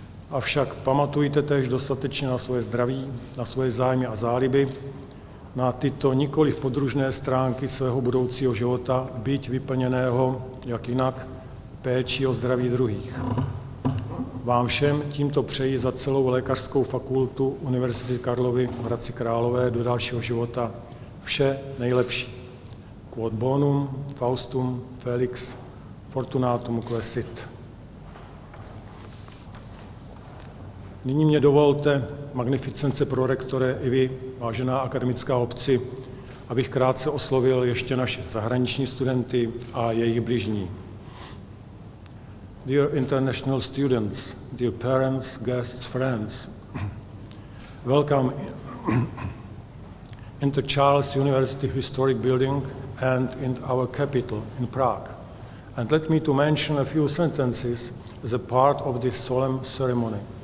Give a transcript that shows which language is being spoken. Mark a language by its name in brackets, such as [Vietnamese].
[Czech] Avšak pamatujte též dostatečně na svoje zdraví, na svoje zájmy a záliby, na tyto nikoliv podružné stránky svého budoucího života, byť vyplněného, jak jinak, péčí o zdraví druhých. Vám všem tímto přeji za celou lékařskou fakultu Univerzity Karlovy v Hradci Králové do dalšího života vše nejlepší. [Latin] Quod bonum, faustum, felix, fortunatum quae sit. [Czech] Nyní mě dovolte, magnificence prorektore, i vy, vážená akademická obci, abych krátce oslovil ještě naše zahraniční studenty a jejich bližní. [English] Dear international students, dear parents, guests, friends, welcome in the Charles University Historic Building and in our capital in Prague. And let me to mention a few sentences as a part of this solemn ceremony.